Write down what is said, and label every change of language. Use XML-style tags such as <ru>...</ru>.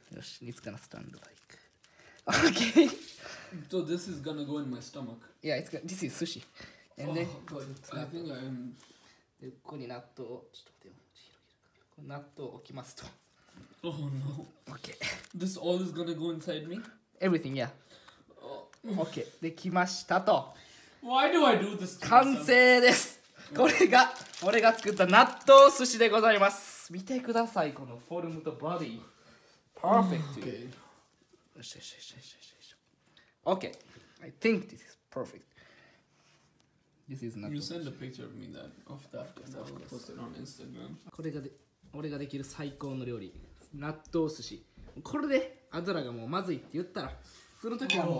<en>よし、it's gonna stand like. Okay. So this is gonna go in my stomach. Yeah, it's gonna. This is sushi. And then. I think I'm.</en> <ja>で、ここに納豆をちょっと待ってよ。広げるか。ここ納豆を置きますと。</ja> <en>Oh no. Okay. This all is gonna go inside me. Everything. Yeah. Okay.</en> <ja>できましたと。</ja> <en>Why do I do this?</en> <ja>完成です。これが俺が作った納豆寿司でございます。見てください、このフォルムとボディパーフェクト。よしよしよしよしよしよし。</ja> <en>OK I think this is perfect. This is 納豆。 You send a picture of me that of that because I'll post it on Instagram.</en> <ja>これがで俺ができる最高の料理、納豆寿司。これでアドラがもうまずいって言ったら、その時はもう、</ja>